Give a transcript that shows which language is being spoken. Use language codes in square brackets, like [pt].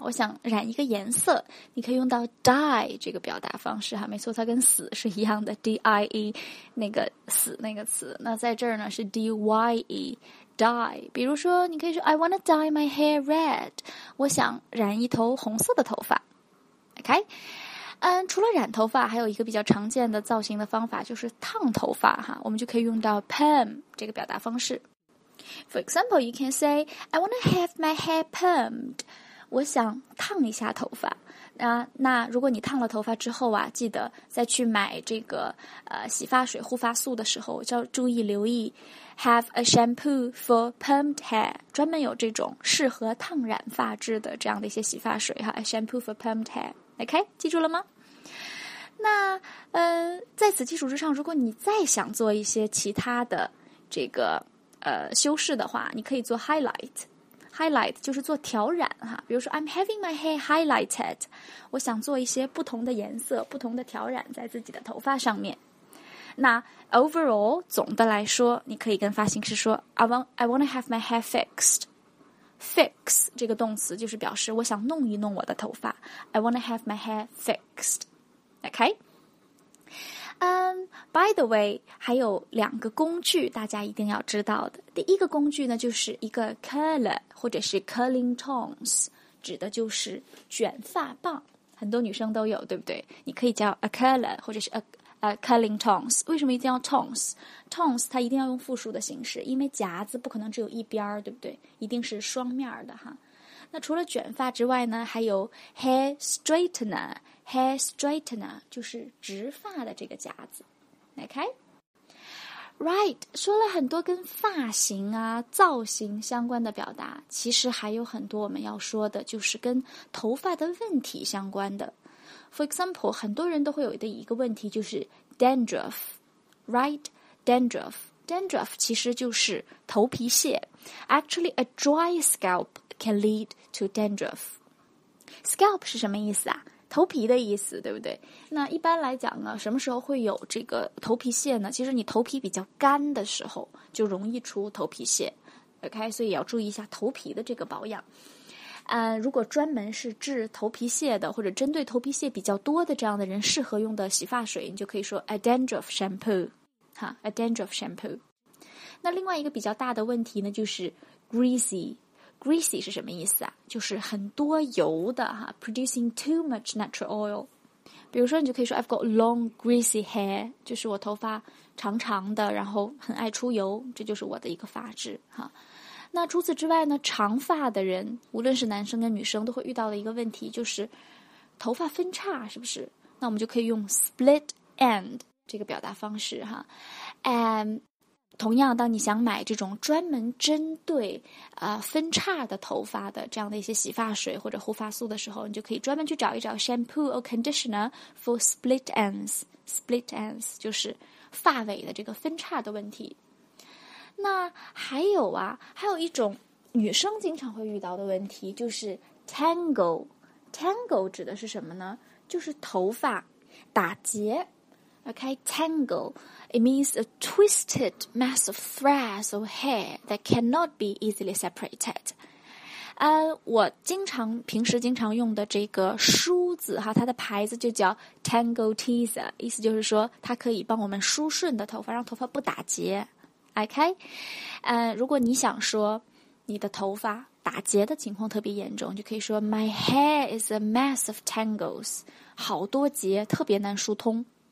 [zh] 我想染一个颜色，你可以用到 dye 这个表达方式哈，没错，它跟死是一样的， D-I-E 那个死那个词，那在这儿呢是 D-Y-E dye。比如说你可以说 [en] I wanna dye my hair red， [zh] 我想染一头红色的头发。 OK， 除了染头发还有一个比较常见的造型的方法就是烫头发哈，我们就可以用到 perm 这个表达方式。 [en] For example you can say I wanna have my hair permed， [zh] 我想烫一下头发。那如果你烫了头发之后啊，记得再去买这个洗发水护发素的时候就要注意留意 [en] have a shampoo for permed hair， [zh] 专门有这种适合烫染发质的这样的一些洗发水哈， a shampoo for permed hair。OK， 记住了吗？那在此基础之上，如果你再想做一些其他的这个修饰的话，你可以做 highlightHighlight 就是做调染哈，比如说 [en] I'm having my hair highlighted， [zh] 我想做一些不同的颜色不同的调染在自己的头发上面。那 overall 总的来说，你可以跟发型师说 [en] I want to have my hair fixed。 [zh] fix 这个动词就是表示我想弄一弄我的头发， [en] I want to have my hair fixed。 [zh] OK， by the way 还有两个工具大家一定要知道的。第一个工具呢就是一个 curler 或者是 curling tongs， 指的就是卷发棒，很多女生都有，对不对？你可以叫 a curler 或者是 a curling tongs。为什么一定要 tongs？ tongs 它一定要用复数的形式，因为夹子不可能只有一边，对不对？一定是双面的哈。那除了卷发之外呢，还有 hair straightener。 hair straightener 就是直发的这个夹子。 OK right， 说了很多跟发型啊造型相关的表达，其实还有很多我们要说的就是跟头发的问题相关的。 For example， 很多人都会有的一个问题就是 dandruff， right， dandruff， dandruff 其实就是头皮屑。 [en] actually a dry scalp can lead to dandruff。 Scalp [zh] 是什么意思啊？头皮的意思，对不对？那一般来讲呢，什么时候会有这个头皮屑呢？其实你头皮比较干的时候就容易出头皮屑， OK， 所以要注意一下头皮的这个保养。如果专门是治头皮屑的，或者针对头皮屑比较多的这样的人适合用的洗发水，你就可以说 a dandruff shampoo， 哈 ，a dandruff shampoo。那另外一个比较大的问题呢，就是 greasy。greasy 是什么意思啊？就是很多油的哈 ， [en] producing too much natural oil。 [zh] 比如说，你就可以说 [en] I've got long greasy hair， [zh] 就是我头发长长的，然后很爱出油，这就是我的一个发质哈。那除此之外呢，长发的人无论是男生跟女生都会遇到的一个问题，就是头发分叉，是不是？那我们就可以用 split end 这个表达方式哈。同样，当你想买这种专门针对分叉的头发的这样的一些洗发水或者护发素的时候，你就可以专门去找一找 [en] shampoo or conditioner for split ends。 [zh] split ends 就是发尾的这个分叉的问题。那还有啊，还有一种女生经常会遇到的问题，就是 tangle。 tangle 指的是什么呢？就是头发打结。 [en] OK， tangle it means a twisted mass of threads or hair that cannot be easily separated。 [zh] 我经常平时经常用的这个梳子哈，它的牌子就叫 tangle teaser， 意思就是说它可以帮我们梳顺的头发，让头发不打结。 OK， 如果你想说你的头发打结的情况特别严重，就可以说 [en] My hair is a mass of tangles， [zh] 好多结，特别难疏通。